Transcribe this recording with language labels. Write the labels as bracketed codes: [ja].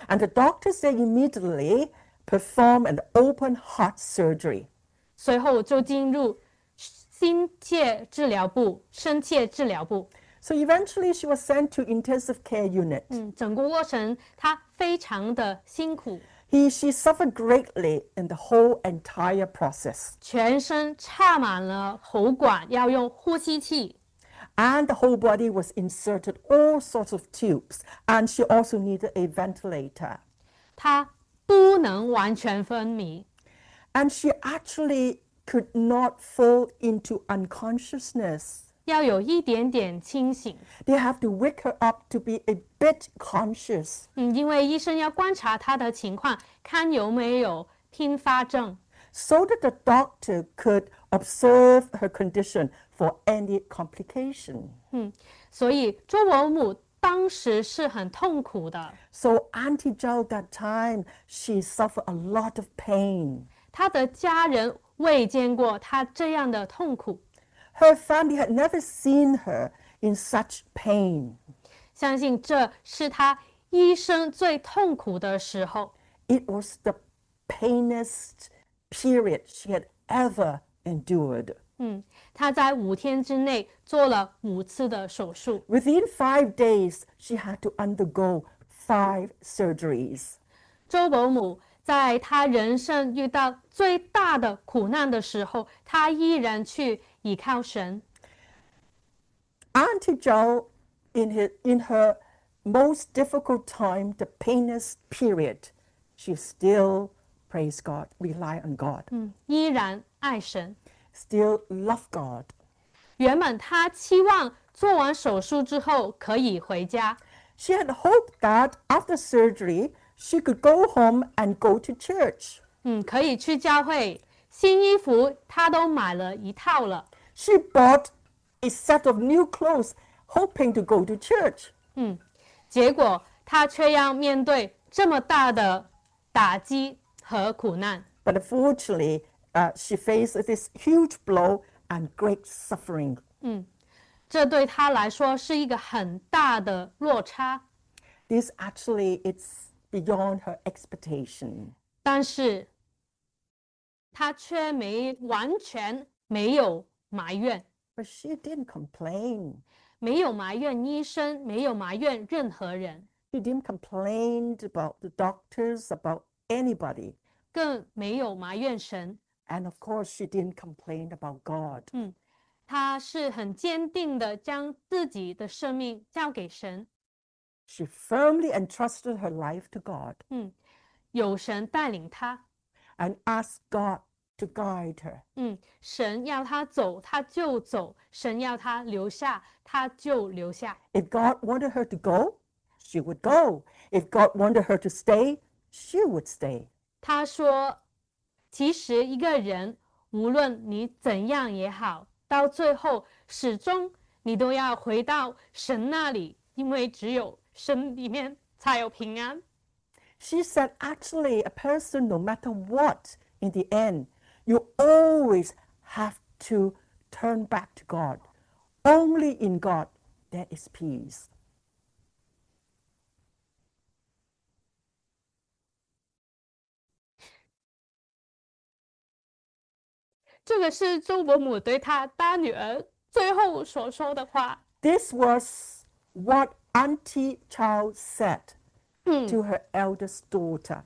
[en] And the doctors they immediately perform an open heart surgery. [zh] 随后就进入心切治疗部，深切治疗部。 [en] So eventually she was sent to intensive care unit. [zh] 整个过程她非常的辛苦。 [en] She suffered greatly in the whole entire process. [zh] 全身插满了喉管，要用呼吸器。 [en] And the whole body was inserted all sorts of tubes, and she also needed a ventilator. [zh] 她不能完全昏迷。 [en] And she actually could not fall into unconsciousness. [zh] 要有一点点清醒。 [en] They have to wake her up to be a bit conscious. [zh] 因为医生要观察她的情况，看有没有并发症。 [en] So that the doctor could observe her condition for any complication. [zh] 所以周伯母当时是很痛苦的。 [en] So Auntie Zhao that time, she suffered a lot of pain. [zh] 她的家人未见过她这样的痛苦。 [en] Her family had never seen her in such pain. [zh] 相信这是她一生最痛苦的时候。 [en] It was the painest period she had ever endured. [zh] 她在5天之内做了5次的手术。 [en] Within 5 days, she had to undergo 5 surgeries. [zh] 周伯母在她人生遇到最大的苦难的时候，她依然去倚靠神。 [en] Auntie Zhao, in her most difficult time, the painest period, she still praise God, rely on God. [zh] 依然爱神。 [en] Still love God. [zh] 原本她期望做完手术之后可以回家。 [en] She had hoped that after surgery, she could go home and go to church. [zh] 可以去教会。新衣服她都买了一套了。 [en] She bought a set of new clothes, hoping to go to church. [zh] 结果她却要面对这么大的打击和苦难。 [en] But unfortunately, she faced this huge blow and great suffering. [zh] 这对他来说是一个很大的落差。 [en] This actually it's beyond her expectation. [zh] 但是，他却没完全没有埋怨， [en] But she didn't complain. [zh] 没有埋怨医生，没有埋怨任何人。 [en] She didn't complain about the doctors, about anybody. [zh] 更没有埋怨神。 [en] And of course, she didn't complain about God. [zh] 他是很坚定的将自己的生命交给神。 [en] She firmly entrusted her life to God. [zh] 有神带领他。 [en] And asked God to guide her. [zh] 神要他走，他就走；神要他留下，他就留下。 [en] If God wanted her to go, she would go. If God wanted her to stay, she would stay. [zh] 他说：“其实一个人，无论你怎样也好，到最后始终你都要回到神那里，因为只有神里面才有平安。 [en] She said, actually, a person, no matter what, in the end, you always have to turn back to God. Only in God. There is peace. [zh] ”这个是周伯母对她大女儿最后所说的话。 [en] This was what Auntie Chow said to her eldest daughter.